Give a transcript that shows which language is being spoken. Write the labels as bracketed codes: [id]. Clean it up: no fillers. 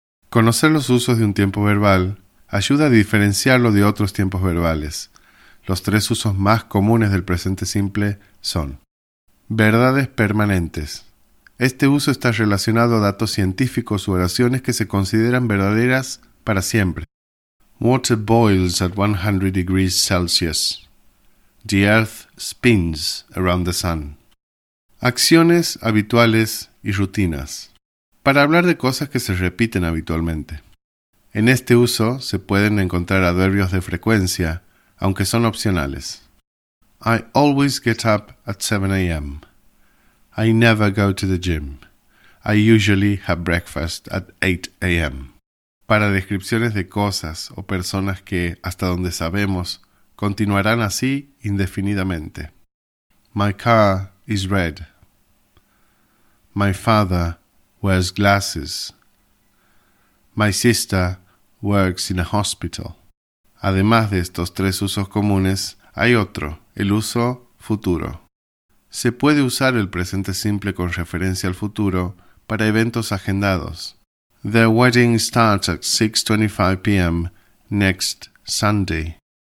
[es] Conocer los usos de un tiempo verbal ayuda a diferenciarlo de otros tiempos verbales. Los tres usos más comunes del presente simple son: verdades permanentes. Este uso está relacionado a datos científicos u oraciones que se consideran verdaderas para siempre. [en] Water boils at 100 degrees Celsius. The earth spins around the sun. [es] Acciones habituales y rutinas. Para hablar de cosas que se repiten habitualmente. En este uso se pueden encontrar adverbios de frecuencia, aunque son opcionales. [en] I always get up at 7 a.m. I never go to the gym. I usually have breakfast at 8 a.m. [es] Para descripciones de cosas o personas que, hasta donde sabemos, continuarán así indefinidamente. [en] My car is red. My father wears glasses. My sister works in a hospital. [es] Además de estos tres usos comunes, hay otro, el uso futuro. Se puede usar el presente simple con referencia al futuro para eventos agendados. [en] The wedding starts at 6:25 p.m. next Sunday.